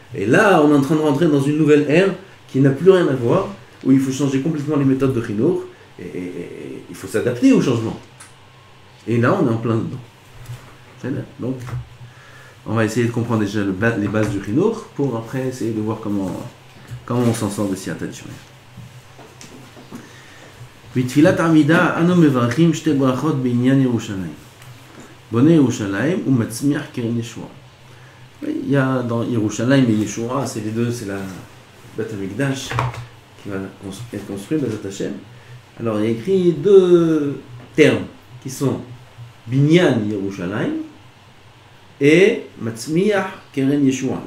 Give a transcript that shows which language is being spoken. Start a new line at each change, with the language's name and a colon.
French: Et là, on est en train de rentrer dans une nouvelle ère qui n'a plus rien à voir, où il faut changer complètement les méthodes de chinour et il faut s'adapter au changement. Et là, on est en plein dedans. C'est là. Donc, on va essayer de comprendre déjà les bases du chinour pour après essayer de voir comment on s'en sort de si attention.
Hebrew: בתפילת עמידה אנו מברכים שתי ברכות בעניין ירושלים. בונה ירושלים ומצמיח קרן ישועה.
French: Il y a dans ירושלים et ישועה, c'est les deux, c'est la בית המקדש qui va être construit dans cette chaîne. Alors il y a écrit deux termes qui sont בניין ירושלים et
Hebrew: מצמיח קרן ישועה.